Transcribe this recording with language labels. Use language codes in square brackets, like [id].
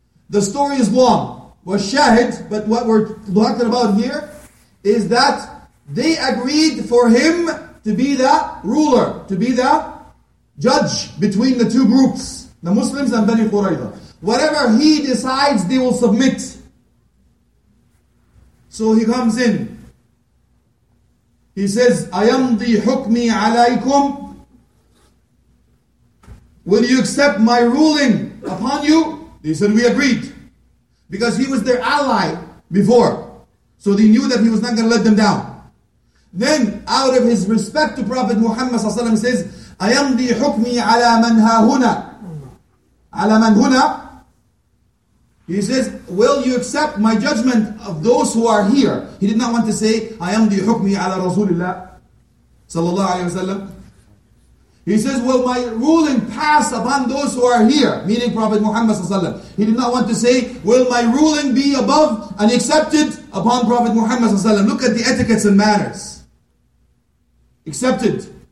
[en] The story is long, was shahid, but what we're talking about here is that they agreed for him to be the ruler, to be the judge between the two groups, the Muslims and Bani Qurayza. Whatever he decides, they will submit. So he comes in. He says, [ar] أَيَمْضِي حُكْمِي عَلَيْكُمْ. [en] Will you accept my ruling upon you? They said, we agreed. Because he was their ally before. So they knew that he was not going to let them down. Then, out of his respect to Prophet Muhammad ﷺ, says, [ar] أَيَمْضِي حُكْمِي عَلَى مَنْ هَهُنَا. عَلَى مَنْ هُنَا. [en] He says, will you accept my judgment of those who are here? He did not want to say, [ar] أَيَمْضِي حُكْمِي عَلَى رَسُولِ اللَّهِ صلى الله عليه وسلم. [en] He says, will my ruling pass upon those who are here? Meaning Prophet Muhammad ﷺ. He did not want to say, will my ruling be above and accepted upon Prophet Muhammad ﷺ. Look at the etiquettes and manners. Accepted.